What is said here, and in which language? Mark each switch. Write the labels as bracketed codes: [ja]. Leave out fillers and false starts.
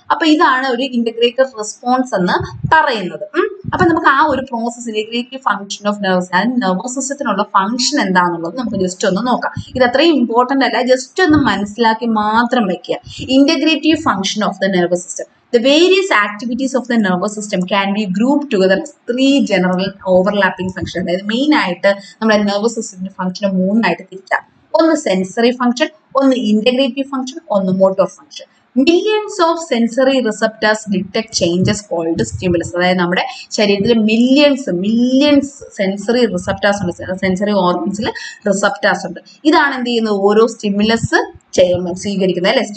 [ml] അപ്പൊ ഇതാണ് ഒരു ഇന്റഗ്രേറ്റഡ് റെസ്പോൺസ് എന്ന് പറയുന്നത്. അപ്പൊ നമുക്ക് ആ ഒരു process, integrative function of nervous and nervous സിസ്റ്റത്തിനുള്ള function എന്താണെന്നുള്ളത് നമുക്ക് ജസ്റ്റ് ഒന്ന് നോക്കാം. ഇത് അത്രയും ഇമ്പോർട്ടൻ്റ് അല്ല, ജസ്റ്റ് ഒന്ന് മനസ്സിലാക്കി മാത്രം വെക്കുക. [en] Integrative function of the nervous system. The various activities of the nervous system can be grouped together as three general overlapping functions. That is, [ml] main aayittu nammude nervous system function moonu aayittu thirichu ഒന്ന് sensory function, ഒന്ന് integrative function, ഒന്ന് motor function. [en] Millions of sensory receptors detect changes called stimulus. [ml] അതായത് നമ്മുടെ ശരീരത്തിൽ millions millions sensory receptors ഉണ്ട്, sensory ഓർഗൻസിൽ receptors ഉണ്ട്. ഇതാണ് എന്ത് ചെയ്യുന്നത്, ഓരോ സ്റ്റിമുലസ് ചെയ്യുമ്പോൾ സ്വീകരിക്കുന്നത് അല്ലെ.